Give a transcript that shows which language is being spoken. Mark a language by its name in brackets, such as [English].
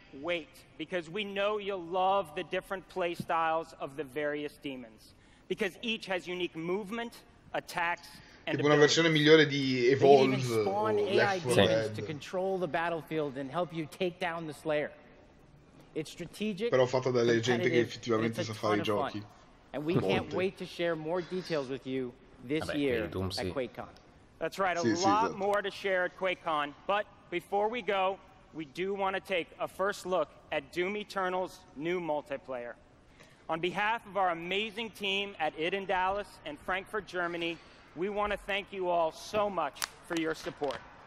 [English] wait, because we know you'll love the different play styles of the various demons, because each has unique movement, attacks, and [Italian] tipo una versione migliore di Evolve. [English] They even spawn AI demons to control the battlefield and help you take down the Slayer. It's strategic, [Italian] però fatta dalle gente che effettivamente sa fare i giochi. [English] And we can't wait to share more details with you this year at QuakeCon. That's right, a lot more to share at QuakeCon. But before we go, we do want to take a first look at Doom Eternal's new multiplayer. On behalf of our amazing team at id in Dallas and Frankfurt, Germany, we want to thank you all so much for your support.